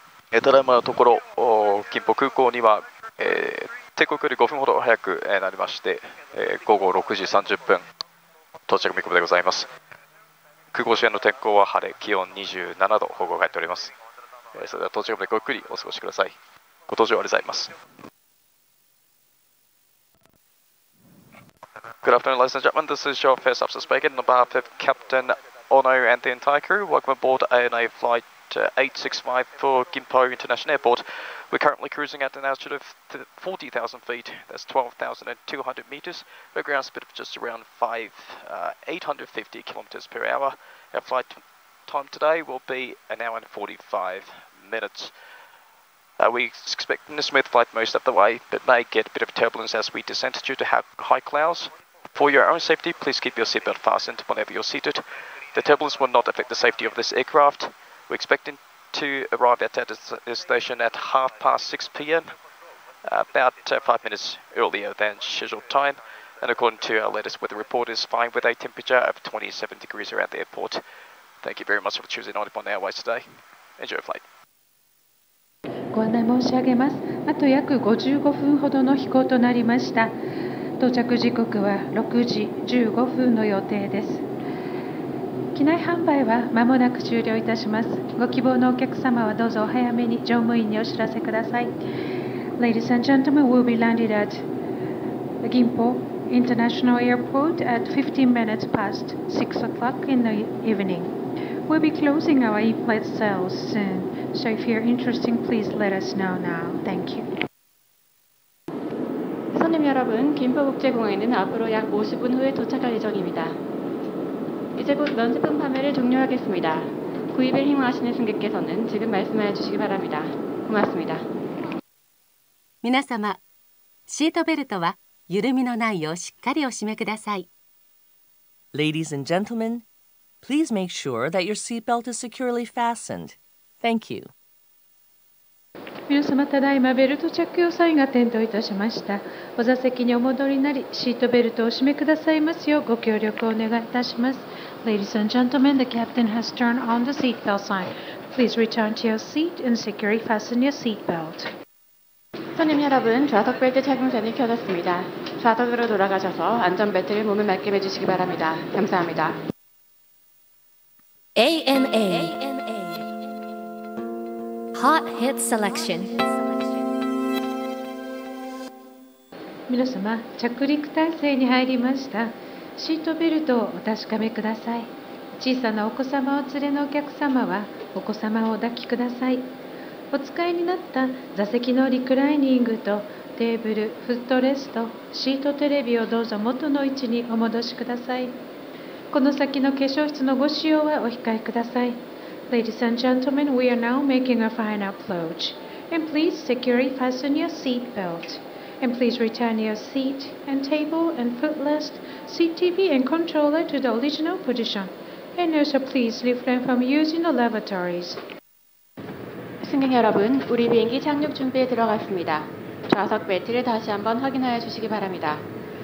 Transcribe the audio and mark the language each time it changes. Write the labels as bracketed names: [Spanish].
[Japanese] ただいまのところ、金浦空港には、定刻より5分ほど早くなりまして、午後6時30分、到着見込みでございます。空港周辺の天候は晴れ、気温27度、方向が入っております。それでは到着までごゆっくりお過ごしください。ご搭乗ありがとうございます。 [English] Good afternoon, ladies and gentlemen. This is your first officer speaking, on behalf of Captain Ono and the entire crew. Welcome aboard ANA Flight 865 for Gimpo International Airport. We're currently cruising at an altitude of 40,000 feet. That's 12,200 meters. A ground speed of just around 850 kilometers per hour. Our flight time today will be an hour and 45 minutes. We expect a smooth flight most of the way, but may get a bit of turbulence as we descend due to high clouds. For your own safety, please keep your seatbelt fastened whenever you're seated. The turbulence will not affect the safety of this aircraft. We're expecting to arrive at our destination at 6:30 p.m, about 5 minutes earlier than scheduled time. And according to our latest weather report, it's fine with a temperature of 27 degrees around the airport. Thank you very much for choosing Nippon Airways today. Enjoy your flight. [Japanese] ご案内申し上げます。あと約55分ほどの飛行となりました。到着時刻は6時15分の予定です。機内販売は間もなく終了いたします。ご希望のお客様はどうぞお早めに乗務員にお知らせください。 [English] Ladies and gentlemen, we'll be landed at Gimpo International Airport at 15 minutes past 6 o'clock in the evening. We'll be closing our in-flight sales soon. So if you're interested, please let us know now. Thank you. [Korean] 여러분김포국제공항에는앞으로약50분후에도착할예정입니다이제곧면세품판매를종료하겠습니다구입을희망하시는승객께서는지금말씀해주시기바랍니다고맙습니다 [Japanese] 皆様シートベルトは緩みのないようしっかりお締めください [English] Ladies and gentlemen, please make sure that your seat belt is securely fastened. Thank you. [Japanese] 皆様、ただいまベルト着用サインが点灯いたしました。お座席にお戻りになり、シートベルトをお締めくださいますようご協力をお願いいたします。 [English] Ladies and gentlemen, the captain has turned on the seatbelt sign. Please return to your seat and securely fasten your seatbelt. [Korean] 손님여러분좌석벨트착용선이켜졌습니다좌석으로돌아가셔서안전벨트를몸에맞게해주시기바랍니다감사합니다 [English] ANA Hot Hit Selection. [Japanese] 皆様、着陸態勢に入りました。シートベルトをお確かめください。小さなお子様をお連れのお客様はお子様をお抱きください。お使いになった座席のリクライニングとテーブル、フットレスト、シートテレビをどうぞ元の位置にお戻しください。この先の化粧室のご使用はお控えください。 [English] Ladies and gentlemen, we are now making a final approach. And please securely fasten your seat belt. And please return your seat and table and footrest, seat TV and controller to the original position. And also please refrain from using the lavatories. [Korean] 승객 여러분, 우리 비행기 착륙 준비에 들어갔습니다. 좌석 벨트를 다시 한번 확인하여 주시기 바랍니다.